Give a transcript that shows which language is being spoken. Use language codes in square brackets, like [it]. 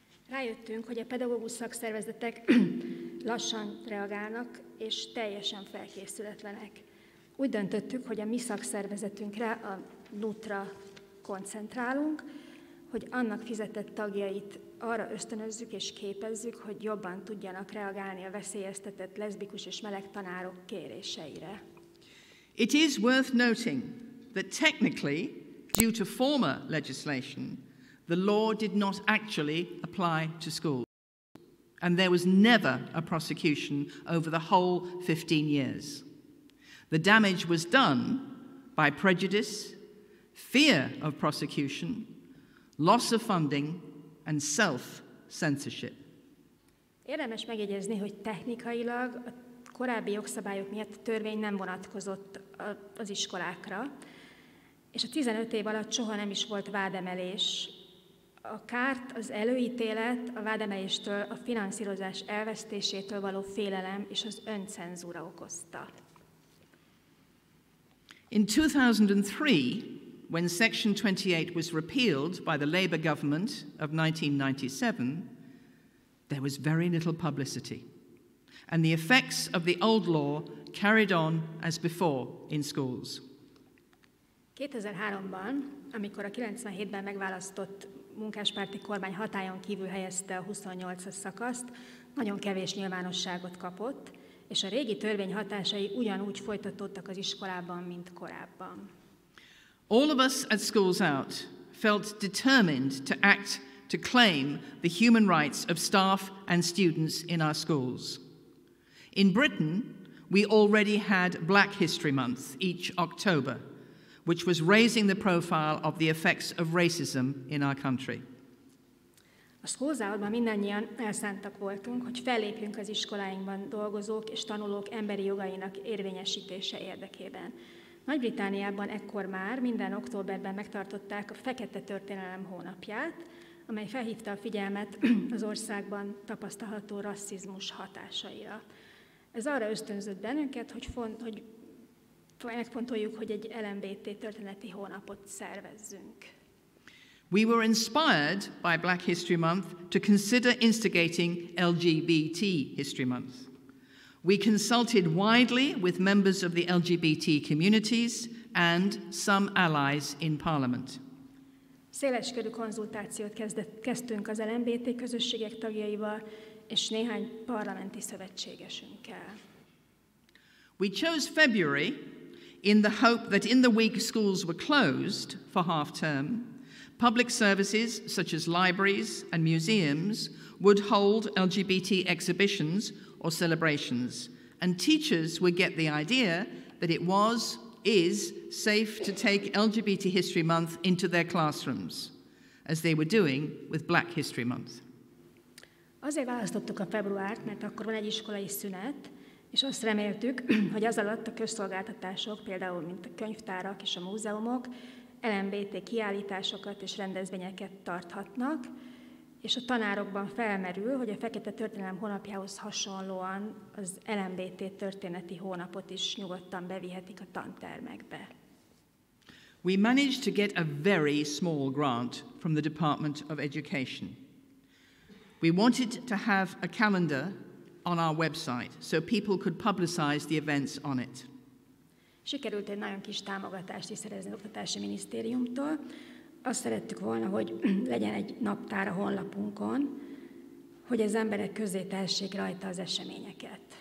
[hu] Rájöttünk, hogy a pedagógus szakszervezetek lassan reagálnak és teljesen felkészületlenek. Úgy döntöttük, hogy a mi szakszervezetünkre, a NUT-ra koncentrálunk, hogy annak fizetett tagjait arra ösztönözzük és képezzük, hogy jobban tudjanak reagálni a veszélyeztetett leszbikus és meleg tanárok kéréseire. [en] It is worth noting that technically, due to former legislation, the law did not actually apply to schools, and there was never a prosecution over the whole 15 years. The damage was done by prejudice, fear of prosecution, loss of funding, and self-censorship. [hu] Érdemes megjegyezni, hogy technikailag a korábbi jogszabályok miatt a törvény nem vonatkozott az iskolákra, és a 15 év alatt soha nem is volt vádemelés. A kárt, az előítélet, a vádemeléstől, a finanszírozás elvesztésétől való félelem és az öncenzúra okozta. [en] In 2003, when Section 28 was repealed by the Labour government of 1997, there was very little publicity, and the effects of the old law carried on as before in schools. [hu] 2003-ban, amikor a 97-ben megválasztott munkáspárti kormány hatályon kívül helyezte a 28-as szakaszt, nagyon kevés nyilvánosságot kapott, és a régi törvény hatásai ugyanúgy folytatódtak az iskolában, mint korábban. [en] All of us at Schools Out felt determined to act to claim the human rights of staff and students in our schools. In Britain, we already had Black History Month each October, which was raising the profile of the effects of racism in our country. [hu] A Schools Out-ban mindannyian elszántak voltunk, hogy fellépjünk az iskoláinkban dolgozók és tanulók emberi jogainak érvényesítése érdekében. Nagy-Britániában ekkor már minden októberben megtartották a Fekete Történelem Hónapját, amely felhívta a figyelmet az országban tapasztalható rasszizmus hatásaira. Ez arra ösztönzött bennünket, hogy megfontoljuk, hogy egy LMBT történeti hónapot szervezzünk. [en] We were inspired by Black History Month to consider instigating LGBT History Month. We consulted widely with members of the LGBT communities and some allies in Parliament. [hu] Széleskörű konzultációt kezdtünk az LMBT közösségek tagjaival és néhány parlamenti szövetségesünkkel. [en] We chose February in the hope that in the week schools were closed for half term, Public services such as libraries and museums would hold LGBT exhibitions or celebrations, and teachers would get the idea that it was, is, safe to take LGBT History Month into their classrooms, as they were doing with Black History Month. [hu] Azért választottuk a februárt, mert akkor van egy iskolai szünet, és azt reméltük, hogy az alatt a közszolgáltatások, például mint a könyvtárak és a múzeumok, LMBT kiállításokat és rendezvényeket tarthatnak, és a tanárokban felmerül, hogy a Fekete Történelem Hónapjához hasonlóan az LMBT Történeti Hónapot is nyugodtan bevihetik a tantermekbe. [en] We managed to get a very small grant from the Department of Education. We wanted to have a calendar on our website so people could publicize the events on it. [hu] Sikerült egy nagyon kis támogatást is szerezni az Oktatási Minisztériumtól. Azt szerettük volna, hogy legyen egy naptár a honlapunkon, hogy az emberek közé tessék rajta az eseményeket.